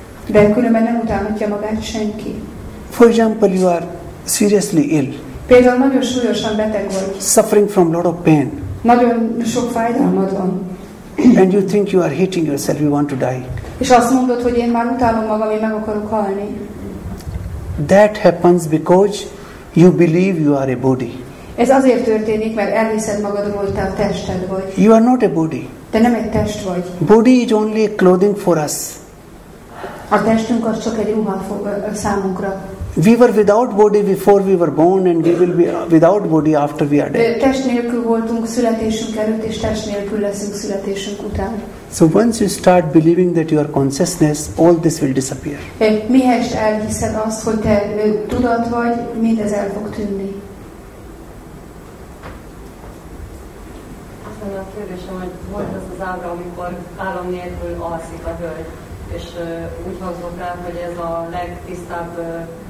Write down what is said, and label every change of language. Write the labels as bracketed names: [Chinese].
[Hungarian] De különben nem utálhatja magát senki. [English] For example, you are seriously ill. [Hungarian] Például nagyon súlyosan beteg vagy. [English] Suffering from lot of pain. [Hungarian] Nagyon sok fájdalmad van. [English] And you think you are hating yourself, you want to die. [Hungarian] És azt mondod, hogy én már utálom magam, én meg akarok halni. [English] That happens because you believe you are a body. [Hungarian] Ez azért történik, mert elhiszed magadról, hogy te a tested vagy. [English] You are not a body. [Hungarian] Te nem egy test vagy. [English] Body is only a clothing for us. [Hungarian] A testünk az csak egy ruha számunkra. [English] We were without body before we were born, and we will be without body after we are dead. [Hungarian] Test nélkül voltunk születésünk előtt, és test nélkül leszünk születésünk után. [English] So once you start believing that you are consciousness, all this will disappear. [Hungarian] Mihelyest elhiszed azt, hogy te tudat vagy, mindez el fog tűnni. Aztán a kérdésem, hogy volt az az ábra, amikor állam nélkül alszik a hölgy, és úgy hangzott rá, hogy ez a legtisztább